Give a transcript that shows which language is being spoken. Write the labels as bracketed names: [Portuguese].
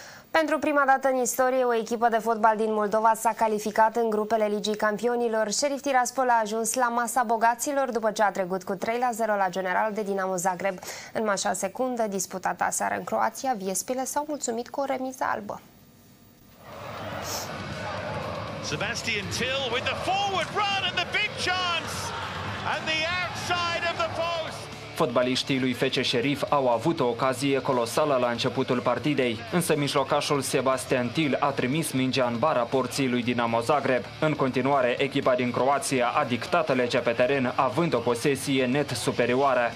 [Romanian] Pentru prima dată în istorie, o echipă de fotbal din Moldova s-a calificat în grupele Ligii Campionilor. Sheriff Tiraspol a ajuns la masa bogaților după ce a trecut cu 3-0 la General de Dinamo Zagreb. În mașa secundă, disputată aseară în Croația, Viespile s-au mulțumit cu o remiză albă. [English] Sebastian Till with the forward run and the big chance and the outside of the post. [Romanian] Fotbaliștii lui FC Sheriff au avut o ocazie colosală la începutul partidei, însă mijlocașul Sebastian Till a trimis mingea în bara porții lui Dinamo Zagreb. În continuare, echipa din Croația a dictat legea pe teren, având o posesie net superioară.